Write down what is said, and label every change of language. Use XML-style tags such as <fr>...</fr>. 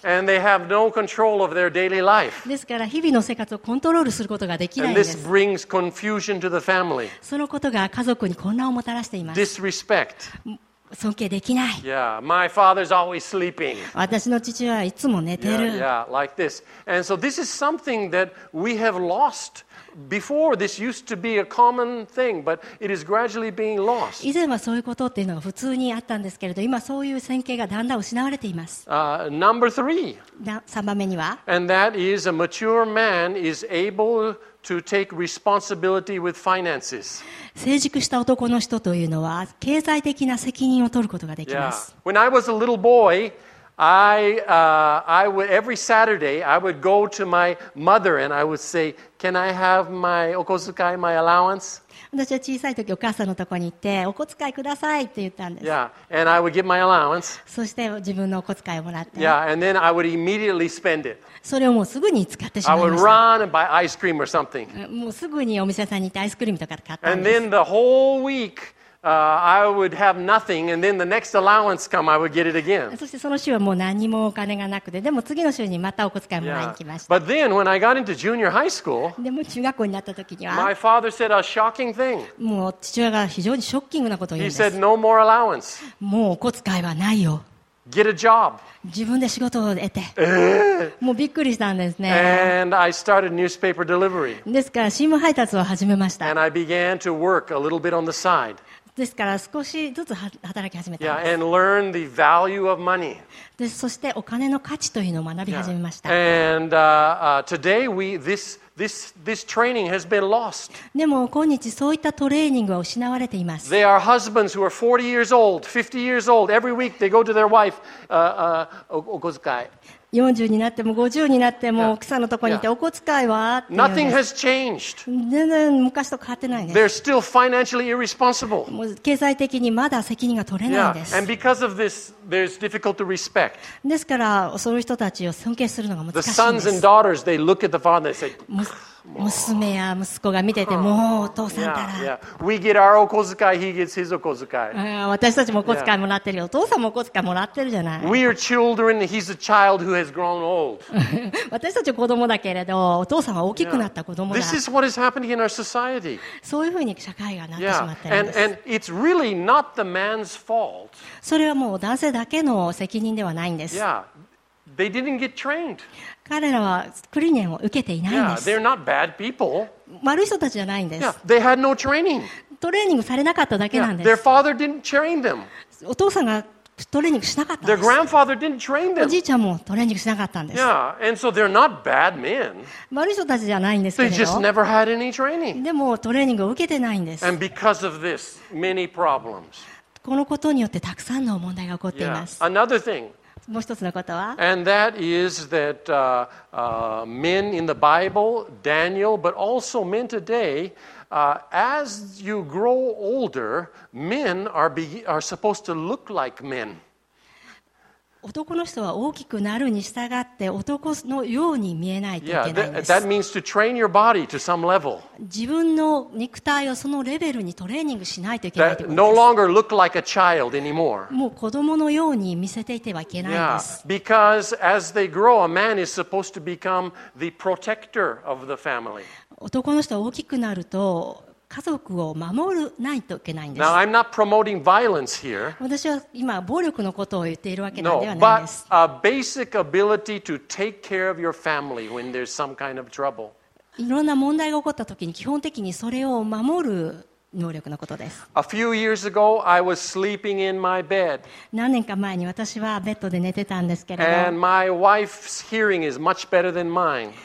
<en>Yeah, and they have no control of their daily life.</en> <ja>ですから日々の生活をコントロールすることができないんです。</ja> <en>And this brings confusion to the family.</en> <ja>そのことが家族に混乱をもたらしています。</ja> <en>Disrespect.</en> <ja>尊敬できない。</ja> <en>Yeah, my father's always sleeping.</en> <ja>私の父はいつも寝てる。</ja> <en>Yeah, yeah, like this. And so this is something that we have lost before. This used to be a common thing, but it is gradually being lost.</en> <ja>以前はそういうことっていうのが普通にあったんですけれど、今そういう尊敬がだんだん失われています。</ja> <en>Number three.</en> <ja>三番目には。</ja> <en>And that is a mature man is able. To take responsibility with finances.</en> <ja>成熟した男の人というのは経済的な責任を取ることができます。</ja> <en>Yeah. When I was a little boy, I would every Saturday I would go to my mother and I would say, "Can I have my お小遣い my allowance?"</en> <ja>私は小さい時お母さんのところに行ってお小遣いくださいって言ったんです。</ja> <en>Yeah. And I would get my allowance.</en> <ja>そして自分のお小遣いをもらって。</ja> <en>Yeah. And then I would immediately spend it.</en> <ja>それをもうすぐに使ってしまいました。</ja> <en>I would run and buy ice cream or something.</en> <ja>もうすぐにお店さんに行ってアイスクリームとか買ったんです。</ja> <en>And then the whole week, I would have nothing, and then the next allowance come, I would get it again.</en> <ja>そしてその週はもう何もお金がなくて、でも次の週にまたお小遣いもらいに来ました。</ja> <en>But then when I got into junior high school,</en> <ja>でも中学校になった時には、</ja> <en>My father said a shocking thing.</en> <ja>もう父親が非常にショッキングなことを言うんです。</ja> <en>He said no more allowance.</en> <ja>もうお小遣いはないよ。</ja> <en>Get a job.</en> <ja>自分で仕事を得て、もうびっくりしたんですね。</ja> <en>And I started newspaper delivery.</en> <ja>ですから新聞配達を始めました。</ja> <en>And I began to work a little bit on the side.</en> <ja>ですから少しずつ働き始めたんです。</ja> <en>Yeah, and learn the value of money.</en> <ja>でそしてお金の価値というのを学び始めました。</ja> <en>Yeah. And today we this This training has been lost.</en> <ja>でも今日そういったトレーニングは失われています。</ja> <en>There are husbands who are 40 years old, 50 years old. Every week they go to their wife, お小遣い。</en> <ja>40になっても50になっても奥さんのところにいてお小遣いは</ja> <en>Nothing has changed.</en> <ja>全然昔と変わってないね。</ja> <en>They're still financially irresponsible.</en> <ja>経済的にまだ責任が取れないんです。</ja> <en>And because of this, there's difficult to respect.</en> <ja>ですからそういう人たちを尊敬するのが難しいんです。</ja> <en>The sons and daughters, they look at the father and they say,</en> <ja>娘や息子が見ててもうお父さんたら。</ja> <en>We get our お小遣い、he gets his お小遣い。</en> <ja>私たちもお小遣いもらってるよ。お父さんもお小遣いもらってるじゃない。</ja> <en>We are children, he's a child who has grown old.</en> <ja>私たちは子供だけれど、お父さんは大きくなった子供だ。</ja> <en>This is what is happening in our society.</en> <ja>そういうふうに社会がなってしまってるんです。</ja> <en>And it's really not the man's fault.</en> <ja>それはもう男性だけの責任ではないんです。</ja> <en>They didn't get trained.</en> <ja>彼らは訓練を受けていないんです。</ja> <en>Yeah, they're not bad people.</en> <ja>悪い人たちじゃないんです。</ja> <en>Yeah, they had no training.</en> <ja>トレーニングされなかっただけなんです。</ja> <en>Yeah, their father didn't train them.</en> <ja>お父さんがトレーニングしなかったんです。</ja> <en>Their grandfather didn't train them.</en> <ja>おじいちゃんもトレーニングしなかったんです。</ja> <en>Yeah, and so they're not bad men.</en> <ja>悪い人たちじゃないんですけど。</ja> <en>They just never had any training.</en> <ja>でもトレーニングを受けてないんです。</ja> <en>And because of this, many problems.</en> <ja>このことによってたくさんの問題が起こっています。</ja> <en>Yeah. Another thing.</en> <ja>もう一つのことは、</ja> <en>And that is that, men in the Bible, Daniel, but also men today, as you grow older, men are supposed to look like men.</en> <ja>男の人は大きくなるに従って男のように見えないといけないんです。</ja> <en>Yeah, that means to train your body to some level.</en> <ja>自分の肉体をそのレベルにトレーニングしないといけないということです。</ja> <en>No longer look like a child anymore.</en> <ja>もう子供のように見せていてはいけないんです。</ja> <en>Yeah, because as they grow, a man is supposed to become the protector of the family.</en> <ja>男の人は大きくなると家族を守らないといけないんです。</ja> <en>Now, I'm not promoting violence here.</en> <ja>私は今暴力のことを言っているわけではないんです。</ja> <en>No, but a basic ability to take care of your family when there's some kind of trouble.</en> <ja>いろんな問題が起こったときに基本的にそれを守る能力のことです。</ja> <en>A few years ago, I was sleeping in my bed.</en> <ja>何年か前に私はベッドで寝てたんですけれど。</ja> <en>And my wife's hearing is much better than mine.</en>